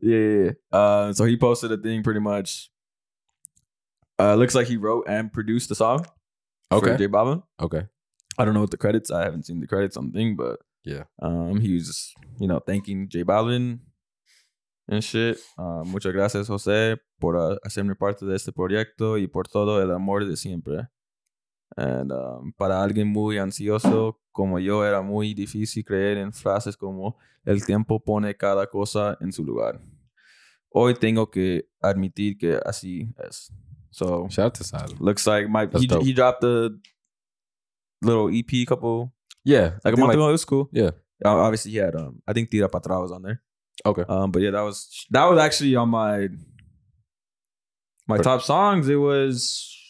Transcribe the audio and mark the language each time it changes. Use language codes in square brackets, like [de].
[en] Yeah. So he posted a thing pretty much. Looks like he wrote and produced the song. Okay. For J Balvin. Okay. I don't know what the credits. I haven't seen the credits on the thing, but yeah. He was just, you know, thanking J Balvin and shit. [es] Muchas gracias, Jose, por hacerme parte de este proyecto y por todo el amor de siempre. And para alguien muy ansioso como yo, era muy difícil creer en frases como el tiempo pone cada cosa en su lugar. Hoy tengo que admitir que así es. [en] So shout out to Sal. Looks like he dropped a little EP Yeah, like a month ago. It was cool. Yeah, obviously he had I think Tira Patra was on there. Okay. But yeah, that was actually on my top songs. It was